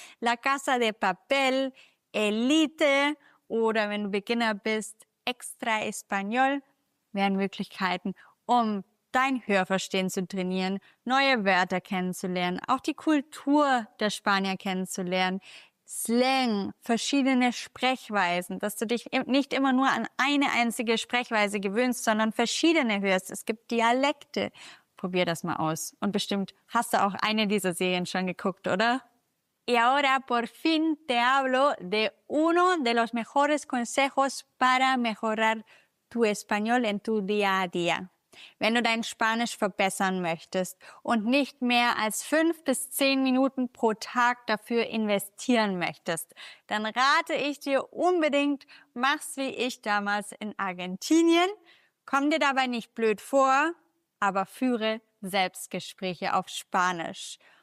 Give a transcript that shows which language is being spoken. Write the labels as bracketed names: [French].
[German] La Casa de Papel, Elite oder wenn du Beginner bist, Extra Español wären Möglichkeiten, um dein Hörverstehen zu trainieren, neue Wörter kennenzulernen, auch die Kultur der Spanier kennenzulernen, Slang, verschiedene Sprechweisen, dass du dich nicht immer nur an eine einzige Sprechweise gewöhnst, sondern verschiedene hörst. Es gibt Dialekte. Probier das mal aus. Und bestimmt hast du auch eine dieser Serien schon geguckt, oder? [Spanish] Y ahora por fin te hablo de uno de los mejores consejos para mejorar tu español en tu día a día. [German] Wenn du dein Spanisch verbessern möchtest und nicht mehr als 5 bis 10 Minuten pro Tag dafür investieren möchtest, dann rate ich dir unbedingt, mach's wie ich damals in Argentinien. Komm dir dabei nicht blöd vor, aber führe Selbstgespräche auf Spanisch.